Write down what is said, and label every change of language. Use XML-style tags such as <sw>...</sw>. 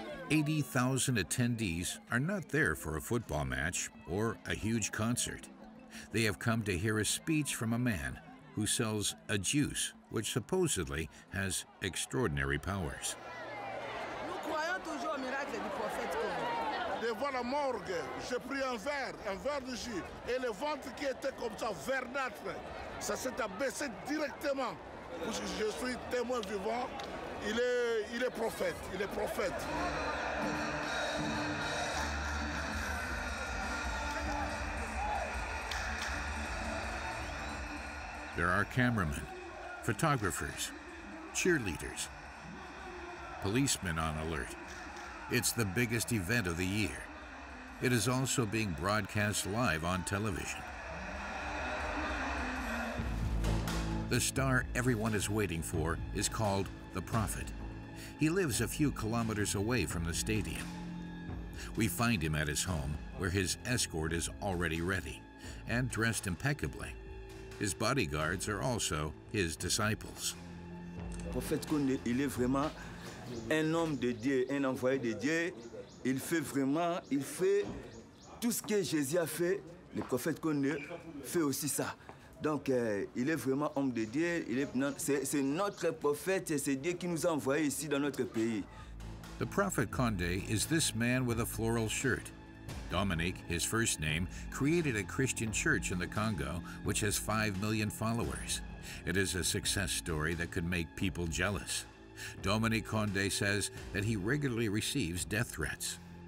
<en>,000 attendees are not there for a football match or a huge concert. They have come to hear a speech from a man who sells a juice which supposedly has extraordinary powers.</en> <fr>Devant la morgue, j'ai pris un verre de jus, et le ventre qui était comme ça, verdâtre, ça s'est abaissé directement. Parce que je suis témoin vivant, il est prophète, il est prophète.</fr> <en>There are cameramen, photographers, cheerleaders, policemen on alert. It's the biggest event of the year. It is also being broadcast live on television. The star everyone is waiting for is called the Prophet. He lives a few kilometers away from the stadium. We find him at his home, where his escort is already ready and dressed impeccably. His bodyguards are also his disciples.</en> <fr>Prophète Kone, il est vraiment un homme de Dieu, un envoyé de Dieu. Il fait vraiment, il fait tout ce que Jésus a fait. Le prophète Kone fait aussi ça. Donc, il est vraiment homme de Dieu. C'est notre prophète, c'est Dieu qui nous a envoyé ici dans notre pays.</fr> <en>The prophet Condé is this man with a floral shirt. Dominique, his first name, created a Christian church in the Congo, which has 5 million followers. It is a success story that could make people jealous. Dominique Condé says that he regularly receives death threats.</en>